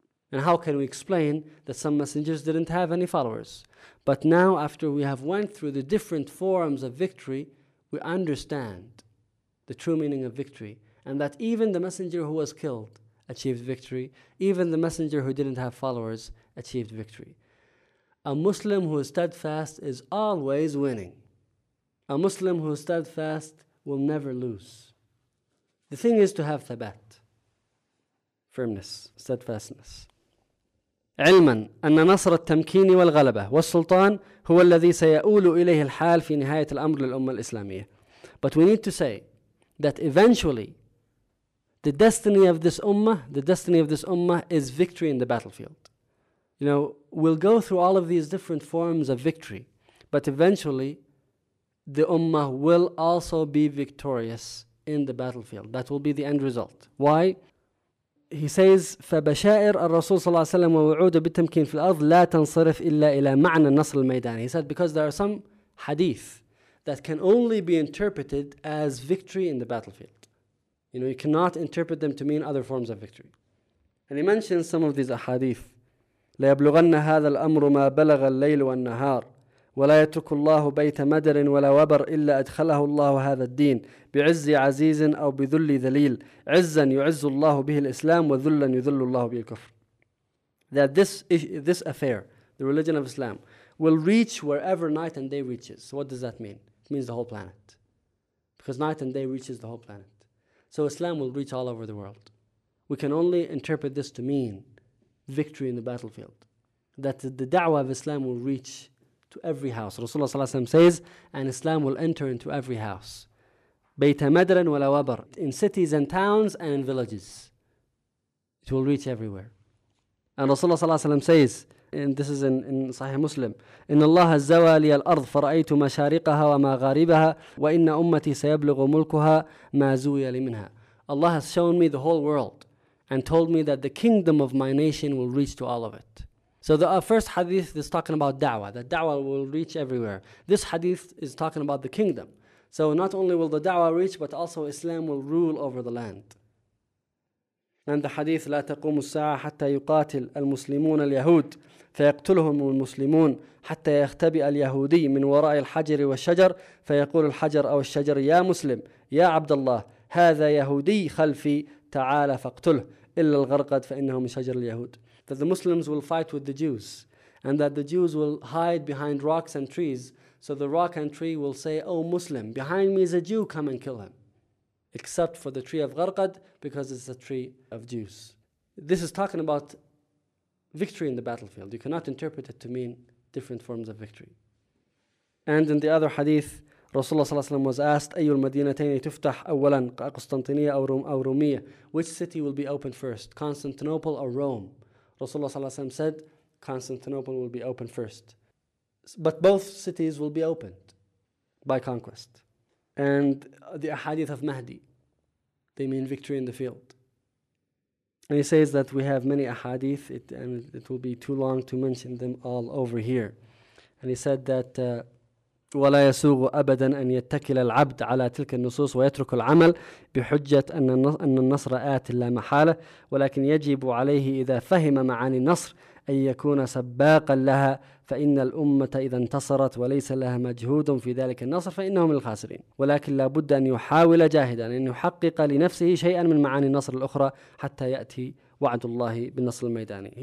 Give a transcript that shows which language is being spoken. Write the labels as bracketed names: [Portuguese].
[English] And how can we explain that some messengers didn't have any followers? But now, after we have went through the different forms of victory, we understand the true meaning of victory, and that even the messenger who was killed achieved victory, even the messenger who didn't have followers achieved victory. A Muslim who is steadfast is always winning. A Muslim who is steadfast will never lose. The thing is to have thabat, firmness, steadfastness. [Arabic] علما أن نصر التمكين والغلبة والسلطان هو الذي سيؤول إليه الحال في نهاية الأمر للأمة الإسلامية. [English] But we need to say that eventually the destiny of this ummah, the destiny of this ummah is victory in the battlefield. You know, we'll go through all of these different forms of victory, but eventually the ummah will also be victorious in the battlefield. That will be the end result. Why? He says, [Arabic] فبشائر الرسول صلى الله عليه وسلم ووعوده بالتمكين في الأرض لا تنصرف إلا إلى معنى النصر الميداني. [English] He said, because there are some hadith that can only be interpreted as victory in the battlefield. You know, you cannot interpret them to mean other forms of victory. And he mentions some of these ahadith. [Arabic] ليبلغن هذا الأمر ما بلغ الليل والنهار ولا يترك الله بيت مدر ولا وبر إلا أدخله الله هذا الدين بعز عزيز أو بذل ذليل عزا يعز الله به الإسلام وذلا يذل الله به الكفر. [English] That this affair, the religion of Islam, will reach wherever night and day reaches. So what does that mean? It means the whole planet. Because night and day reaches the whole planet. So Islam will reach all over the world. We can only interpret this to mean victory in the battlefield. That the da'wah of Islam will reach to every house. Rasulullah sallallahu alayhi wa sallam says, and Islam will enter into every house. [Arabic] بَيْتَ مَدْرًا وَلَا وَبَرٍ [English] in cities and towns and in villages. It will reach everywhere. And Rasulullah sallallahu alayhi wa sallam says, and this is in Sahih Muslim, [Arabic] إِنَّ اللَّهَ زَوَى لِيَ الْأَرْضِ فَرَأَيْتُ مَشَارِقَهَا وَمَا غَارِبَهَا وَإِنَّ أُمَّتِي سَيَبْلُغُ مُلْكُهَا مَا زُوِيَ لِمِنْهَا. [English] Allah has shown me the whole world and told me that the kingdom of my nation will reach to all of it. So the first hadith is talking about da'wah, that da'wah will reach everywhere. This hadith is talking about the kingdom. So not only will the da'wah reach, but also Islam will rule over the land. And the hadith, [Arabic] لا تقوم الساعة حتى يقاتل المسلمون اليهود فيقتلهم المسلمون حتى يختبئ اليهودي من وراء الحجر والشجر فيقول الحجر أو الشجر يا مسلم يا عبد الله هذا يهودي خلفي تعالى فاقتله إلا الغرقد فإنه من شجر اليهود. [English] That the Muslims will fight with the Jews and that the Jews will hide behind rocks and trees. So the rock and tree will say, oh Muslim, behind me is a Jew, come and kill him. Except for the tree of Gharqad, because it's a tree of Jews. This is talking about victory in the battlefield. You cannot interpret it to mean different forms of victory. And in the other hadith, Rasulullah sallallahu alayhi wa sallam was asked, [Arabic] أَيُّ الْمَدِينَتَيْنِ تُفْتَحْ أَوَّلًا قُسْطَنْطِينِيَ أَوْ رُومِيَ. [English] Which city will be opened first, Constantinople or Rome? Rasulullah sallallahu alayhi wa sallam said, Constantinople will be opened first. But both cities will be opened by conquest. And the ahadith of Mahdi, they mean victory in the field. And he says that we have many ahadith, and it will be too long to mention them all over here. And he said that [Arabic] وَلَا يَسُوغُ أَبَدًا أَنْ يَتَّكِلَ الْعَبْدَ عَلَى تِلْكَ النُّصُوصِ وَيَتْرُكُ الْعَمَلِ بِحُجَّةَ أَنَّ النَّصْرَ آتٍ لَا مَحَالَةٍ وَلَكِنْ يَجِبُ عَلَيْهِ إِذَا فَهِمَ مَعَانِ النَّصْرِ أن يكون سباقا لها فإن الأمة إذا انتصرت وليس لها مجهود في ذلك النصر فإنهم الخاسرين ولكن لابد أن يحاول جاهدا أن يحقق لنفسه شيئا من معاني النصر الأخرى حتى يأتي وعد الله بالنصر الميداني.